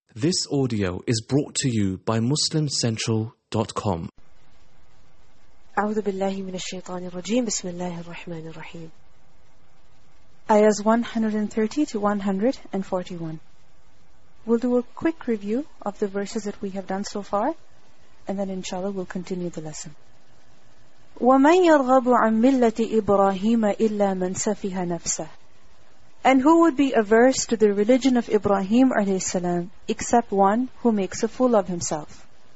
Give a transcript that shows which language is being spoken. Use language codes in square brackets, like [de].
[en] This audio is brought to you by MuslimCentral.com. [ar] أعوذ بالله من الشيطان الرجيم بسم الله الرحمن الرحيم. [en] Ayahs 130-141. We'll do a quick review of the verses that we have done so far, and then inshallah we'll continue the lesson. [ar] وَمَنْ يَرْغَبُ عَنْ مِلَّةِ إِبْرَاهِيمَ إِلَّا مَنْ سَفِهَ نَفْسَهُ. [en] And who would be averse to the religion of Ibrahim alayhi salam except one who makes a fool of himself?